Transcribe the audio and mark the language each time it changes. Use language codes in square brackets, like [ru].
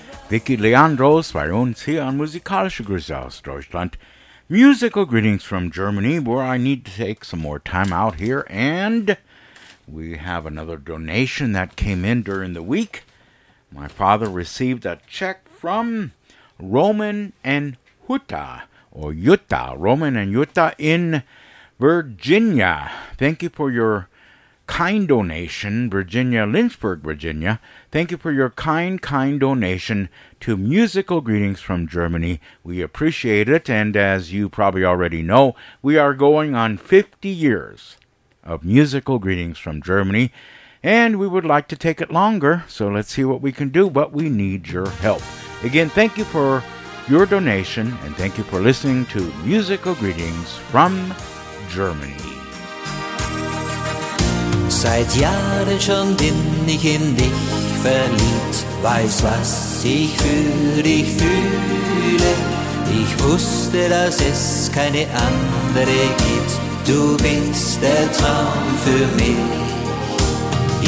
[de] Vicky Leandros bei uns hier an Musikalische Grüße aus Deutschland. [en] Musical greetings from Germany, where I need to take some more time out here. And we have another donation that came in during the week. My father received a check from Roman and Jutta, or Jutta, Roman and Jutta in Virginia. Thank you for your kind donation, Virginia, Lynchburg, Virginia. Thank you for your kind donation to Musical Greetings from Germany. We appreciate it, and as you probably already know, we are going on 50 years of Musical Greetings from Germany, and we would like to take it longer, so let's see what we can do, but we need your help. Again, thank you for your donation, and thank you for listening to Musical Greetings from Germany. [de] Seit Jahren schon bin ich in dich verliebt, weiß, was ich für dich fühle. Ich wusste, dass es keine andere gibt, du bist der Traum für mich.